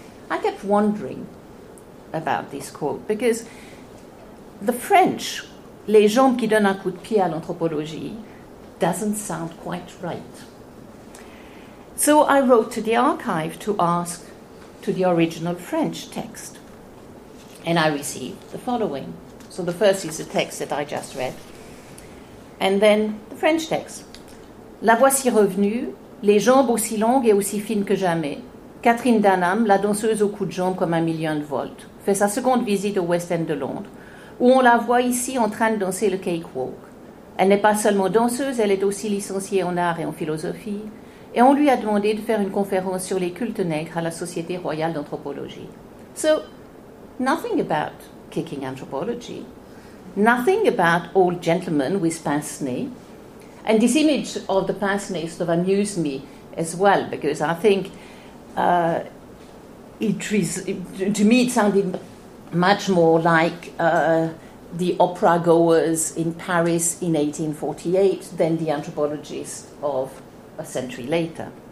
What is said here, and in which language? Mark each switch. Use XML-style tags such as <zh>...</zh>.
<en>I kept wondering about this quote because the French,</en> <fr>les gens qui donnent un coup de pied à l'anthropologie,</fr> <en>doesn't sound quite right. So I wrote to the archive to ask to the original French text, and I received the following. So the first is the text that I just read, and then the French text.</en> <fr>La voix si revenue, les jambes aussi longues et aussi fines que jamais. Catherine Dunham, la danseuse au cou de jambes comme un million de volts, fait sa seconde visite au West End de Londres, où on la voit ici en train de danser le cakewalk. Elle n'est pas seulement danseuse, elle est aussi licenciée en art et en philosophie, et on lui a demandé de faire une conférence sur les cultes nègres à la Société Royale d'Anthropologie.</fr> <en>So, nothing about kicking anthropology, nothing about old gentlemen with pince-nez. And this image of the pince-nez sort of amused me as well, because I think to me it sounded much more like the opera goers in Paris in 1848 than the anthropologists of a century later.</en>